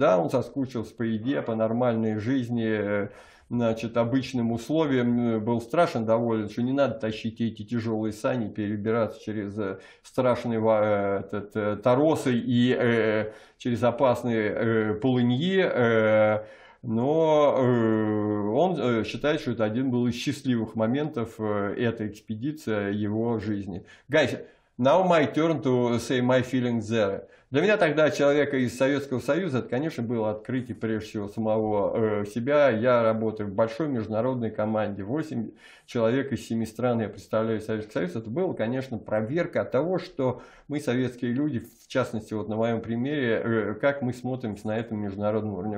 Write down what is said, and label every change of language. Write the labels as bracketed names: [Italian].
[Russian] Да, он соскучился по еде, по нормальной жизни, значит, обычным условиям, был страшен доволен, что не надо тащить эти тяжелые сани, перебираться через страшные торосы и через опасные полыньи. Но он считает, что это один был из счастливых моментов этой экспедиции его жизни. [English] Guys, now my turn to say my feelings there. [Russian] Для меня тогда человека из Советского Союза, это, конечно, было открытие прежде всего самого себя. Я работаю в большой международной команде. 8 человек из 7 стран я представляю Советский Союз. Это было, конечно, проверка того, что мы, советские люди, в частности, вот на моем примере, как мы смотримся на этом международном уровне.